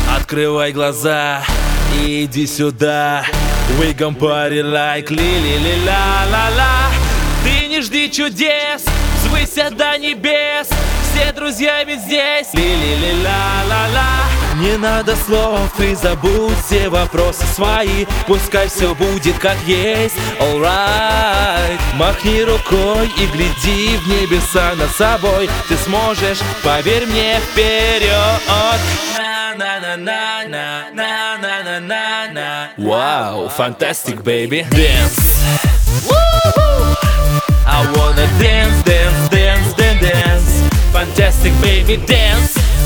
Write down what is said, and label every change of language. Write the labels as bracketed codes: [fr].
[ru] Открывай глаза, иди сюда. [en] We gon' party like ли-ли-ли-ла-ла-ла. [ru] Ты не жди чудес, взвысь до небес. Все друзья ведь здесь, ли-ли-ли-ла-ла-ла. Не надо слов, ты забудь все вопросы свои. Пускай все будет как есть, [en] alright. [ru] Махни рукой и гляди в небеса над собой. Ты сможешь, поверь мне, вперед. На-на-на-на-на-на-на-на-на-на. [en] Wow, fantastic, baby. Dance. I wanna dance, dance, dance, dance, dance. Fantastic, baby, dance.